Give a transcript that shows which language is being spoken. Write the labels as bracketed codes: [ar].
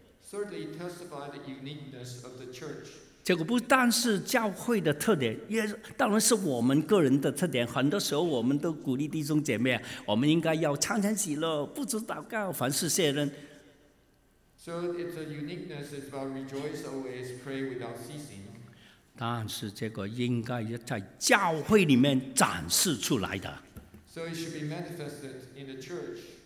[en] Thirdly, testify the uniqueness of the church. [zh] 这个不单是教会的特点，也当然是我们个人的特点。很多时候我们都鼓励弟兄姐妹，我们应该要常常喜乐，不住祷告，凡事谢恩。 [en] So it's a uniqueness, it's about rejoice always, pray without ceasing. [zh] 但是这个应该在教会里面展示出来的。 [en] So it should be manifested in the church.